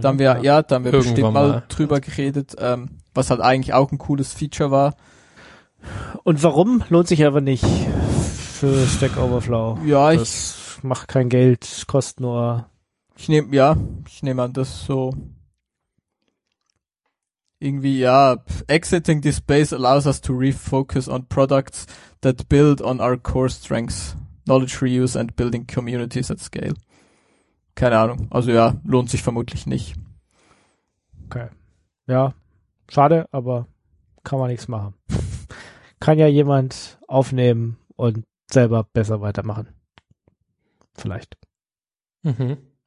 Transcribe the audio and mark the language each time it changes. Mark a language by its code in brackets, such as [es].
[de] Dann wir, ja, da haben wir bestimmt mal drüber geredet, was halt eigentlich auch ein cooles Feature war. Und warum lohnt sich aber nicht für Stack Overflow? Ja, das ich macht kein Geld, kostet nur. Ich nehme an, das so. Irgendwie, ja, [en] exiting this space allows us to refocus on products that build on our core strengths, knowledge reuse and building communities at scale. [de] Keine Ahnung. Also ja, lohnt sich vermutlich nicht. Okay. Ja, schade, aber kann man nichts machen. Kann ja jemand aufnehmen und selber besser weitermachen. Vielleicht. Mhm.